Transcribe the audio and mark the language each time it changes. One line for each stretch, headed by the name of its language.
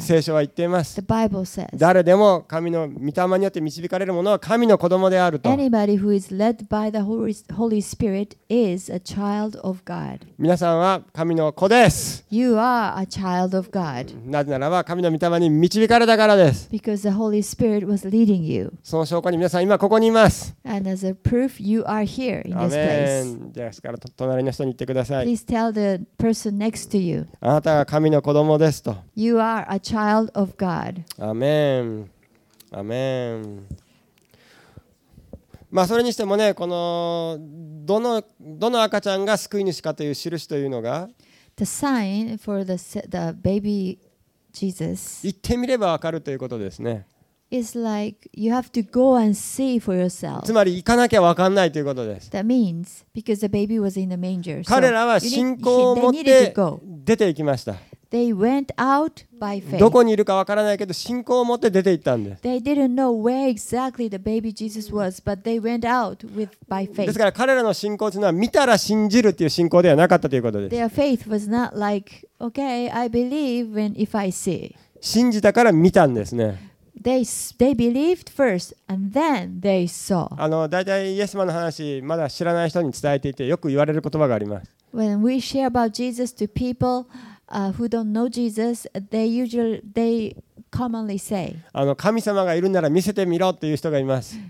Japanese: 聖書は言っています。
English: The Bible says.
Japanese: 誰でも神の御霊によって導かれるものは神の子供であると。
English: Anybody who is led by the Holy Spirit is a child of God.
Japanese: 皆さんは神の子です。
English: You are a child of God.
Japanese: なぜならば神の御霊に導かれたからです。
English: Because the Holy Spirit was leading you.
Japanese: その証拠に皆さん今ここにいます。
English: And as a proof, you are here in this place.
Japanese: ですから隣の人に言ってください。
English: Please tell the person next to you.
Japanese: あなたが神の子供ですと。
English: You are a child of God.
Japanese: アメン。アメン。まあそれにしてもね、このどの赤ちゃんが救い主かという印というのが、
English: The sign for the baby Jesus.
Japanese: 行ってみればわかるということですね。
English: It's like you have to go and see for yourself.
Japanese: つまり行かなきゃわかんないということです。
English: That means because the baby was in the manger.
Japanese: 彼らは信仰を持って出て行きました。
English: They went out by faith.
Japanese: どこにいるかわからないけど信仰を持って出て行ったんです。
English: They didn't know where exactly the baby Jesus was, but they went out with by faith.
Japanese: ですから彼らの信仰というのは見たら信じるという信仰ではなかったということです。
English: Their faith was not like, okay, I believe when if I see.
Japanese: 信じたから見たんですね。
English: They believed first and then they saw.
Japanese: あの、だいたいイエス様の話、まだ知らない人に伝えていて、よく言われる言葉があります。
English: When we share about Jesus to people, who don't know Jesus, they commonly say,
Japanese: あの、神様がいるなら見せてみろっていう人がいます。